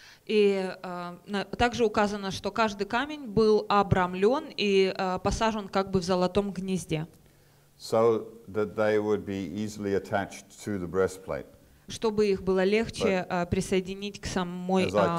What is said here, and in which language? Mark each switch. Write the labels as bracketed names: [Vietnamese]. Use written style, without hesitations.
[Russian] И также указано, что каждый камень был обрамлен и посажен как бы в золотом гнезде. [English] So that they would be easily attached to the breastplate. [Russian] Чтобы их было легче присоединить к самой